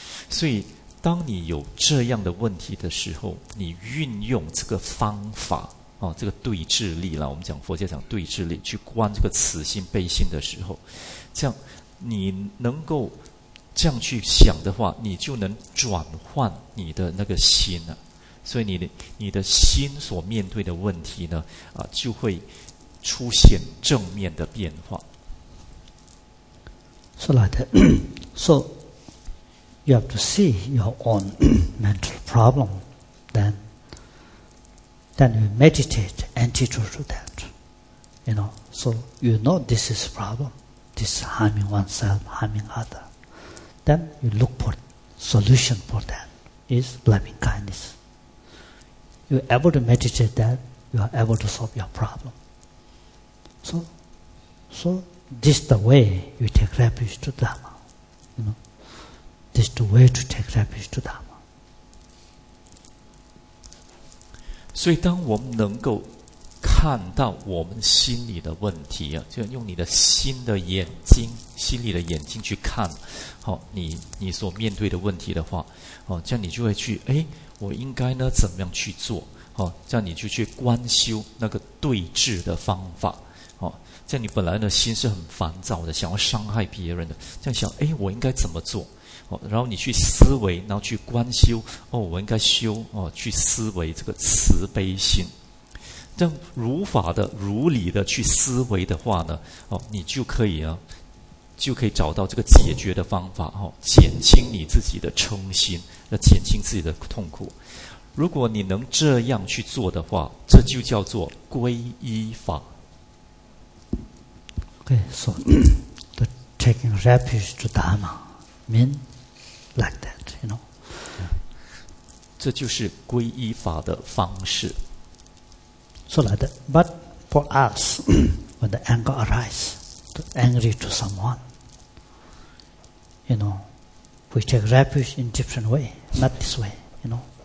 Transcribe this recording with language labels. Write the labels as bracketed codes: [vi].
[zh] 所以当你有这样的问题的时候，你运用这个方法啊，这个对治力了，我们讲佛教讲对治力，去观这个慈心悲心的时候，这样你能够这样去想的话，你就能转换你的那个心了、所以你的心所面对的问题呢，就会出现正面的变化。 [en] So like that. So you have to see your own mental problem, then you meditate antidote to that. You know, so you know this is problem, this is harming oneself, harming other. Then you look for solution for that is loving kindness. You're able to meditate that, you are able to solve your problem. So this is the way you take refuge to Dhamma. You know? This is the way to take refuge to Dhamma. [zh] 所以当我们能够看到我们心里的问题、就用你的心的眼睛，心里的眼睛去看、你所面对的问题的话、这样你就会去我应该呢怎么样去做、这样你就去观修那个对治的方法、这样你本来呢心是很烦躁的，想要伤害别人的，这样想我应该怎么做、然后你去思维，然后去观修、我应该修、去思维这个慈悲心，这样如法的如理的去思维的话呢、你就可以啊，就可以找到这个解决的方法、减轻你自己的嗔心，要减轻自己的痛苦。如果你能这样去做的话，这就叫做皈依法。 [en] Okay, so the taking refuge to Dharma mean like that, you know. [zh] 这就是皈依法的方式。 [en] So like that. But for us, when the anger arises, the angry to someone, you know,We take refuge in different way, not this way, you know.